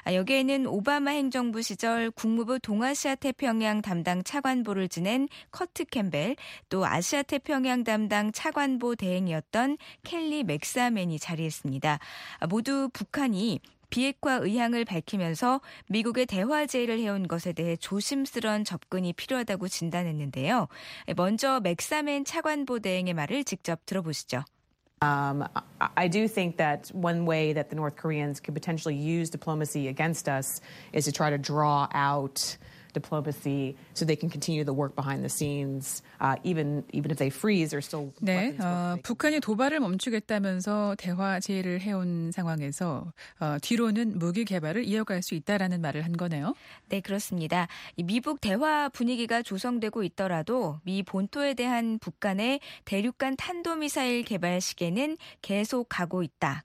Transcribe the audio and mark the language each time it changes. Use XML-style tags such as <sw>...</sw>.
<ko>여기에는 오바마 행정부 시절 국무부 동아시아 태평양 담당 차관보를 지낸 커트 캠벨, 또 아시아 태평양 담당 차관보 대행이었던 켈리 맥사맨이 자리했습니다. 모두 북한이 비핵화 의향을 밝히면서 미국의 대화 제의를 해온 것에 대해 조심스러운 접근이 필요하다고 진단했는데요. 먼저 맥사맨 차관보 대행의 말을 직접 들어보시죠.</ko> <en>I do think that one way that the North Koreans could potentially use diplomacy against us is to try to draw out diplomacy so they can continue the work behind the scenes even if they freeze or still</en> <ko>네, 북한이 도발을 멈추겠다면서 대화 제의를 해온 상황에서 뒤로는 무기 개발을 이어갈 수 있다라는 말을 한 거네요. 네, 그렇습니다. 미북 대화 분위기가 조성되고 있더라도 미 본토에 대한 북한의 대륙간 탄도미사일 개발 시계는 계속 가고 있다.</ko>